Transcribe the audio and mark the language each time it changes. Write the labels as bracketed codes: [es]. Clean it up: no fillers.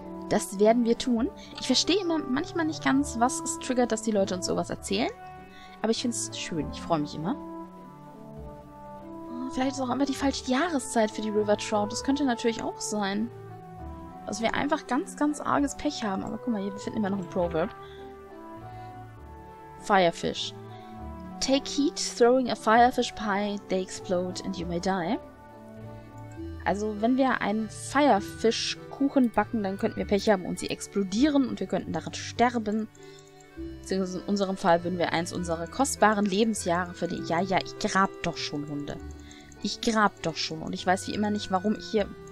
[de] Das werden wir tun. Ich verstehe immer manchmal nicht ganz, was es triggert, dass die Leute uns sowas erzählen. Aber ich finde es schön, ich freue mich immer. Vielleicht ist auch immer die falsche Jahreszeit für die River Trout. Das könnte natürlich auch sein. Dass wir einfach ganz, ganz arges Pech haben. Aber guck mal, hier finden wir immer noch ein Proverb. [en] Firefish. Take heed, throwing a firefish pie, they explode and you may die. [de] Also, wenn wir einen Firefish-Kuchen backen, dann könnten wir Pech haben und sie explodieren und wir könnten daran sterben. Beziehungsweise in unserem Fall würden wir eins unserer kostbaren Lebensjahre verlieren. Ja, ja, ich grab doch schon, Hunde. Ich grab doch schon und ich weiß wie immer nicht, warum ich hier...